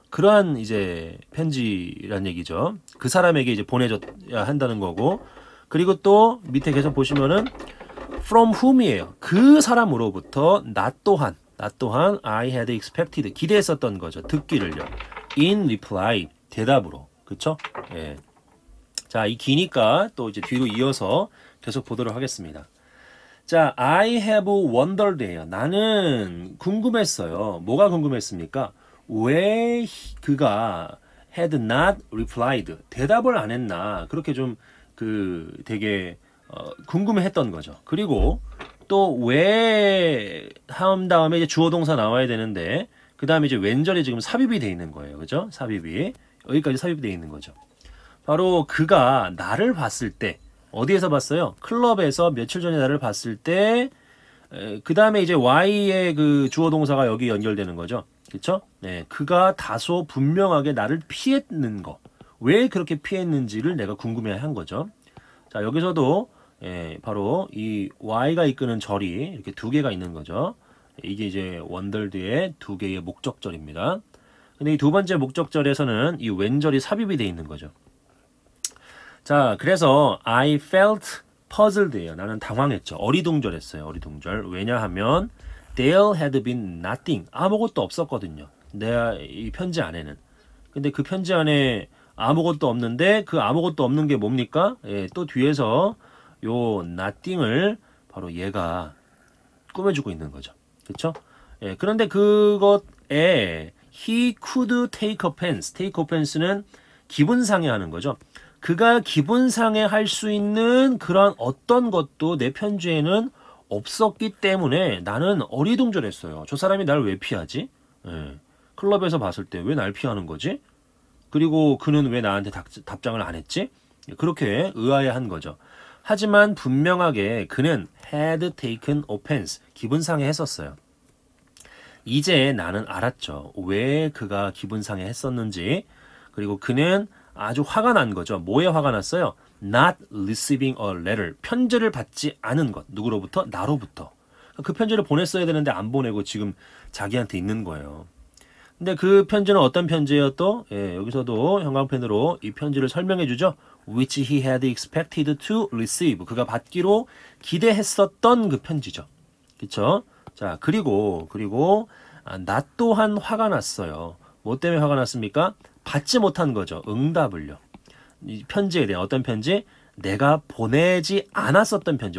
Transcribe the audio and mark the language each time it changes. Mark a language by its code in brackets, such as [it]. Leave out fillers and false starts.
[ko] 그러한 이제 편지란 얘기죠. 그 사람에게 이제 보내줘야 한다는 거고. 그리고 또 밑에 계속 보시면은 [en] from whom [ko] 이에요. 그 사람으로부터 나 또한 [en] I had expected, [ko] 기대했었던 거죠. 듣기를요. [en] In reply, [ko] 대답으로. 그쵸? 예. 자, 이 기니까 또 이제 뒤로 이어서 계속 보도록 하겠습니다. 자, [en] I have wondered 예요. [ko] 나는 궁금했어요. 뭐가 궁금했습니까? 왜 그가 [en] had not replied, [ko] 대답을 안 했나. 그렇게 좀 그 되게 궁금했던 거죠. 그리고 또 왜 한 다음에 이제 주어동사 나와야 되는데 그 다음에 이제 왼절이 지금 삽입이 돼 있는 거예요. 그죠? 삽입이. 여기까지 삽입되어 있는 거죠. 바로 그가 나를 봤을 때, 어디에서 봤어요? 클럽에서 며칠 전에 나를 봤을 때, 그 다음에 이제 Y의 그 주어 동사가 여기 연결되는 거죠. 그쵸? 네, 그가 다소 분명하게 나를 피했는 거. 왜 그렇게 피했는지를 내가 궁금해 한 거죠. 자, 여기서도 예, 바로 이 Y가 이끄는 절이 이렇게 두 개가 있는 거죠. 이게 이제 wondered의 두 개의 목적절입니다. 근데 이 두 번째 목적절에서는 이 왼절이 삽입이 되어 있는 거죠. 자, 그래서 [en] I felt puzzled예요. [ko] 나는 당황했죠. 어리둥절했어요. 어리둥절. 왜냐하면 [en] there had been nothing. [ko] 아무것도 없었거든요. 내 이 편지 안에는. 근데 그 편지 안에 아무것도 없는데 그 아무것도 없는 게 뭡니까? 예, 또 뒤에서 요 nothing을 바로 얘가 꾸며주고 있는 거죠. 그렇죠? 예, 그런데 그것에 [en] he could take offense. [ko] take offense는 기분 상해 하는 거죠. 그가 기분 상해 할 수 있는 그런 어떤 것도 내 편지에는 없었기 때문에 나는 어리둥절했어요. 저 사람이 날 왜 피하지? 예, 클럽에서 봤을 때 왜 날 피하는 거지? 그리고 그는 왜 나한테 답장을 안 했지? 그렇게 의아해한 거죠. 하지만 분명하게 그는 [en] had taken offense, [ko] 기분 상해 했었어요. 이제 나는 알았죠. 왜 그가 기분 상해 했었는지. 그리고 그는 아주 화가 난 거죠. 뭐에 화가 났어요? [en] Not receiving a letter, [ko] 편지를 받지 않은 것. 누구로부터? 나로부터. 그 편지를 보냈어야 되는데 안 보내고 지금 자기한테 있는 거예요. 근데 그 편지는 어떤 편지였죠? 예, 여기서도 형광펜으로 이 편지를 설명해 주죠. [en] Which he had expected to receive. [ko] 그가 받기로 기대했었던 그 편지죠. 그쵸? 자, 그리고 나 또한 화가 났어요. 뭐 때문에 화가 났습니까? 받지 못한 거죠. 응답을요. 이 편지에 대한 어떤 편지? 내가 보내지 않았었던 편지.